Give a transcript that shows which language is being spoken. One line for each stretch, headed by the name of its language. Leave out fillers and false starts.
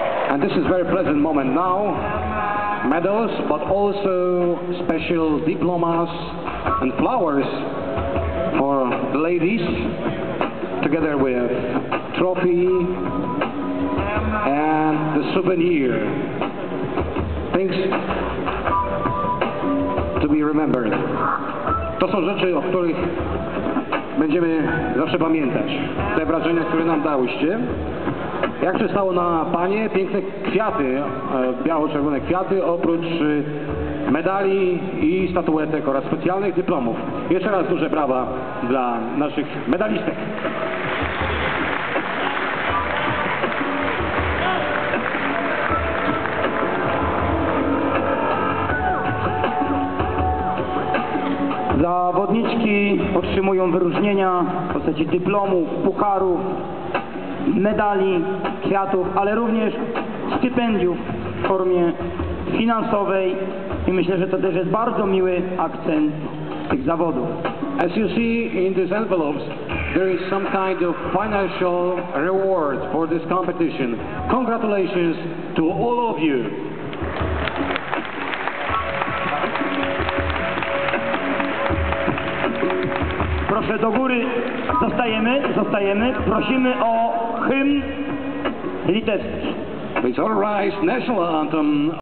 English: And this is a very pleasant moment now. Medals, but also special diplomas and flowers for the ladies, together with trophy and the souvenir. Things to be remembered.
Polish: To są rzeczy, o których będziemy zawsze pamiętać. Te wrażenia, które nam dałyście. Jak przystało na panie, piękne kwiaty, biało-czerwone kwiaty, oprócz medali i statuetek oraz specjalnych dyplomów. Jeszcze raz duże brawa dla naszych medalistek. Zawodniczki otrzymują wyróżnienia w postaci dyplomów, pucharów, medali, kwiatów, ale również stypendiów w formie finansowej i myślę, że to też jest bardzo miły akcent tych zawodów.
English: As you see in these envelopes, there is some kind of financial reward for this competition. Congratulations to all of you.
Polish: Proszę do góry, zostajemy, prosimy o hymn litewski.
English: It's all right, national anthem.